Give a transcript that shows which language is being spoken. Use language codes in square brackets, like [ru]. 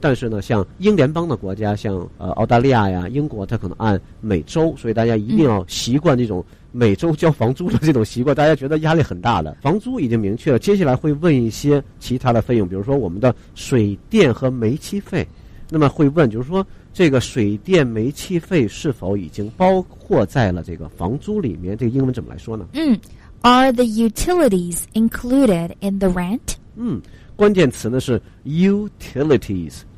[zh] 但是呢像英联邦的国家像澳大利亚呀英国它可能按每周，所以大家一定要习惯这种每周交房租的这种习惯、嗯、大家觉得压力很大的。房租已经明确了，接下来会问一些其他的费用，比如说我们的水电和煤气费，那么会问就是说这个水电煤气费是否已经包括在了这个房租里面，这个英文怎么来说呢？ [en] 嗯，Are the utilities included in the rent? [zh] 嗯，关键词呢是 utilities、